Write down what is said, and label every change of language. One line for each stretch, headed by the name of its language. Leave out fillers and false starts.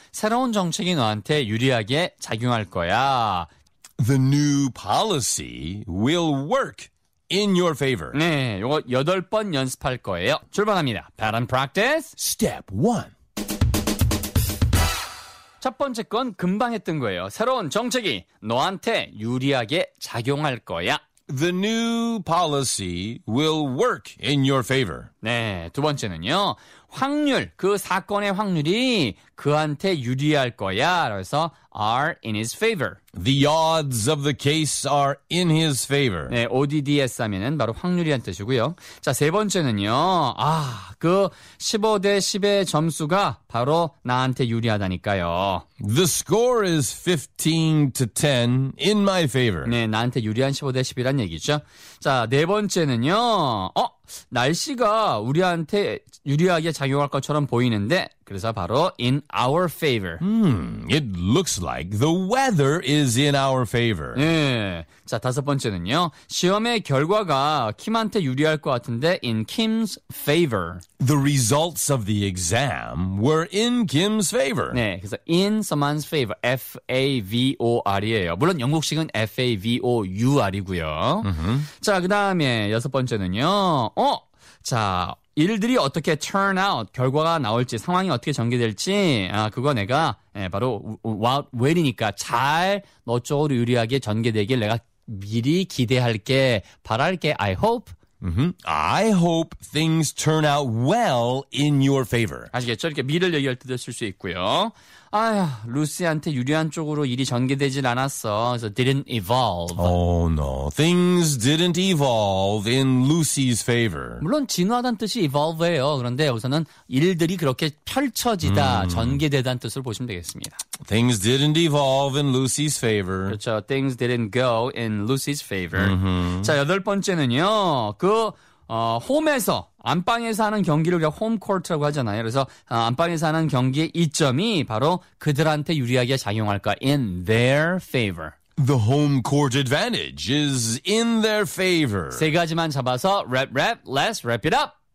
Korean: 새로운 정책이 너한테 유리하게 작용할 거야.
English: The new policy will work in your favor.
Korean: 네, 이거 여덟 번 연습할 거예요. 출발합니다.
English: Pattern practice. Step 1.
Korean: 첫 번째 건 금방 했던 거예요. 새로운 정책이 너한테 유리하게 작용할 거야.
English: The new policy will work in your favor.
Korean: 네, 두 번째는요. 확률, 그 사건의 확률이 그한테 유리할 거야. 그래서
English: are in his favor. The odds of the case are in his favor.
Korean: 네, ODDS 하면은 바로 확률이란 뜻이고요. 자, 세 번째는요. 아, 그 15대 10의 점수가 바로 나한테 유리하다니까요.
English: The score is 15 to 10 in my favor.
Korean: 네, 나한테 유리한 15대 10이란 얘기죠. 자, 네 번째는요. 어? 날씨가 우리한테 유리하게 작용할 것처럼 보이는데 그래서 바로
English: in our favor. It looks like the weather is in our favor.
Korean: 네. 자, 다섯 번째는요. 시험의 결과가 킴한테 유리할 것 같은데
English: in Kim's favor. The results of the exam were in Kim's favor.
Korean: 네. 그래서
English: in someone's favor.
Korean: F-A-V-O-R이에요. 물론 영국식은 F-A-V-O-U-R이고요. Mm-hmm. 자, 그 다음에 여섯 번째는요. 어? 자, 일들이 어떻게
English: turn out,
Korean: 결과가 나올지, 상황이 어떻게 전개될지, 아, 그거 내가, 예, 바로, well이니까 잘 너쪽으로 유리하게 전개되길 내가 미리 기대할게, 바랄게,
English: I hope. Mm-hmm. I hope things turn out well in your favor.
Korean: 아시겠죠? 이렇게 미를 얘기할 때도 쓸 수 있고요. 아휴, 루시한테 유리한 쪽으로 일이 전개되질 않았어. 그래서
English: didn't evolve. Oh no, things didn't evolve in Lucy's favor.
Korean: 물론 진화단 뜻이 evolve예요. 그런데 여기서는 일들이 그렇게 펼쳐지다, 전개되다는 뜻을 보시면 되겠습니다.
English: Things didn't evolve in Lucy's favor.
Korean: 그렇죠.
English: Things didn't go in Lucy's favor. Mm-hmm.
Korean: 자, 여덟 번째는요. 그 홈에서 안방에서 하는 경기를 우리가 홈코트라고 하잖아요. 그래서 안방에서 하는 경기의 이점이 바로 그들한테 유리하게 작용할까
English: in their favor. The home court advantage is in their favor.
Korean: 세 가지만 잡아서 랩 랩
English: let's wrap it up.